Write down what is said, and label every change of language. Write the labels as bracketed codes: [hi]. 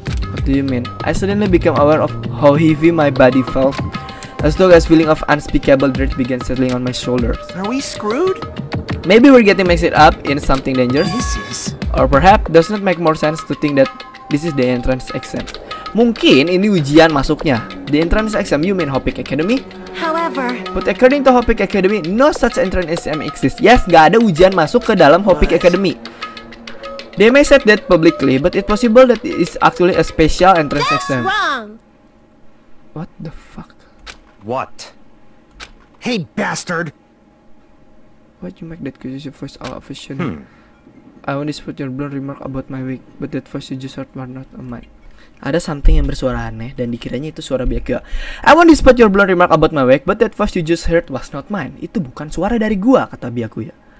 [en] What do you mean? I suddenly became aware of how heavy my body felt, as though a feeling of unspeakable dread began settling on my shoulders. Are we screwed? Maybe we're getting mixed up in something dangerous. This is... Or perhaps does not make more sense to think that this is the entrance exam. [id] Mungkin ini ujian masuknya. [en] The entrance exam, you mean Hopik Academy? However, but according to Hopik Academy, no such entrance exam exists. Yes, [id] gak ada ujian masuk ke dalam Hopik Academy. [en] They may say that publicly, but it's possible that it is actually a special entrance exam. That's wrong. What the fuck? What? Hey, bastard! Why'd you make that curious voice out of a shit? I won't dispute your blunt remark about my wig, but that voice you just heard were not mine. [id] Ada something yang bersuara aneh dan dikiranya itu suara Byakuya. [en] I won't dispute your blunt remark about my wig, but that voice you just heard was not mine. [id] Itu bukan suara dari gua, kata Byakuya.